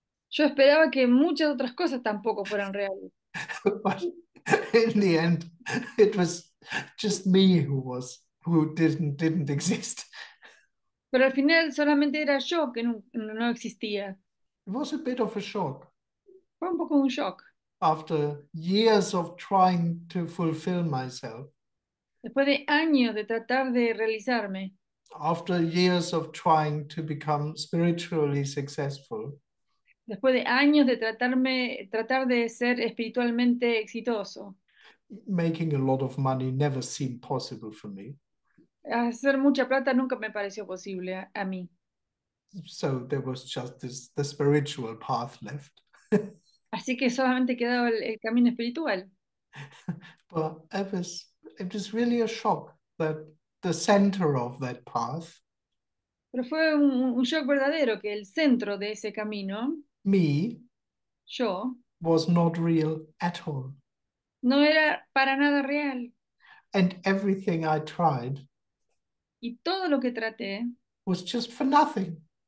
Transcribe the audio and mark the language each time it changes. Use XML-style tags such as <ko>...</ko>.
<es>Yo esperaba que muchas otras cosas tampoco fueran reales.</es> <en>But in the end, it was just me who didn't exist.</en> <es>Pero al final solamente era yo que no existía.</es> <en>It was a bit of a shock.</en> <es>Fue un poco un shock.</es> <en>After years of trying to fulfill myself.</en> <es>Después de años de tratar de realizarme.</es> <en>After years of trying to become spiritually successful.</en> <es>Después de años de tratar de ser espiritualmente exitoso.</es> <en>Making a lot of money never seemed possible for me.</en> <es>Hacer mucha plata nunca me pareció posible a mí.</es> <en>So there was just this, the spiritual path left.</en> <es>Así que solamente quedaba el camino espiritual.</es> <en>But it was really a shock that the center of that path.</en> <es>Pero fue un shock verdadero que el centro de ese camino.</es> <en>Me.</en> <es>Yo.</es> <en>Was not real at all.</en> <es>No era para nada real.</es> <en>And everything I tried.</en> <es>Y todo lo que traté</es> <en>was just for nothing.</en>